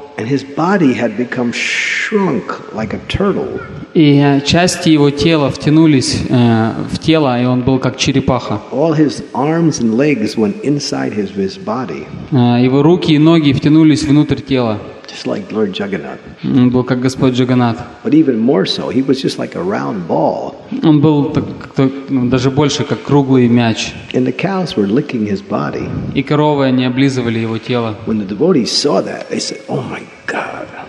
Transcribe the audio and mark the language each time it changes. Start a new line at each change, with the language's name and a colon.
English: And his body had become shrunk like a turtle.
Russian: И части его тела втянулись в тело, и он был как черепаха.
English: All his arms and legs went inside his body.
Russian: Его руки и ноги втянулись внутрь тела.
English: Just like Lord Jagannath.
Russian: Он был как Господь Джаганат.
English: But even more so, he was just like a round ball.
Russian: Он был даже больше как круглый мяч.
English: And the cows were licking his body.
Russian: И коровы они облизывали его тело.
English: When the devotees saw that, they said, "Oh my God!"